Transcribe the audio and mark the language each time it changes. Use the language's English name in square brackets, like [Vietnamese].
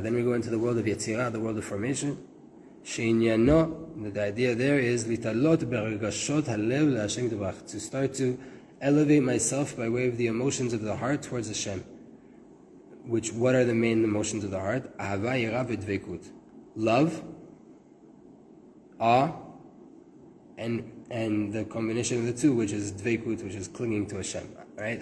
[English] Then we go into the world of יצירה, the world of formation. [Hebrew] שעניינו, [English] the idea there is, [Hebrew] להתעלות ברגשות הלב להשם דברך. [English] To start to elevate myself by way of the emotions of the heart towards Hashem. Which, what are the main emotions of the heart? [Hebrew] אהבה, יראה ודבקות. [English] Love, awe, and the combination of the two, which is דבקות, which is clinging to Hashem. Right?